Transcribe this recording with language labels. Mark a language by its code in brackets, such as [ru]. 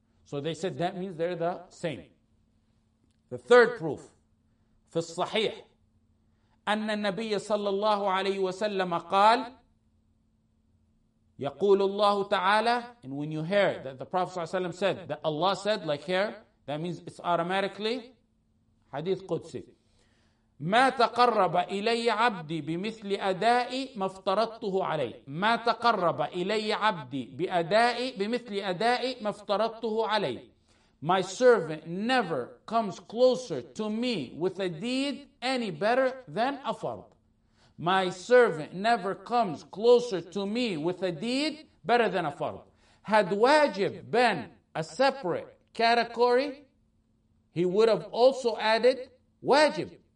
[en] So they said that means they're the same. The third proof, في الصحيح, أن النبي صلى الله عليه وسلم قال, يقول الله تعالى, and when you hear that the Prophet صلى الله عليه وسلم said, that Allah said, like here, that means it's automatically hadith Qudsi. [ar] ما تقرب إلي عبدي بمثل أدائي ما افترضته عليه. ما تقرب إلي عبدي بأدائي بمثل أدائي ما افترضته عليه. [en] My servant never comes closer to me with a deed any better than a fard. My servant never comes closer to me with a deed better than a fard. Had wajib been a separate category, he would have also added wajib.